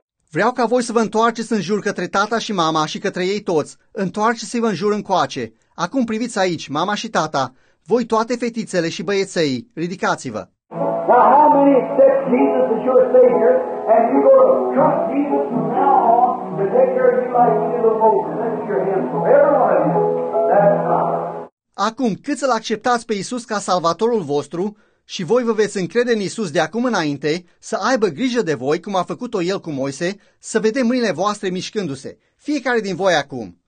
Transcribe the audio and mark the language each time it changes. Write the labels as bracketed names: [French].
[Romanian] Vreau ca voi să vă întoarceți în jur către tata și mama și către ei toți. Întoarceți-vă în jur încoace. Acum priviți aici, mama și tata, voi toate fetițele și băieței, ridicați-vă. [English] Now how many accept Jesus as your Savior and you go to trust Jesus from now on to take care of you like you did the most? Let's hear him from everyone of you. That's fine. [Romanian] Acum, cât să-L acceptați pe Iisus ca salvatorul vostru și voi vă veți încrede în Iisus de acum înainte să aibă grijă de voi, cum a făcut-o El cu Moise, să vedem mâinile voastre mișcându-se, fiecare din voi acum.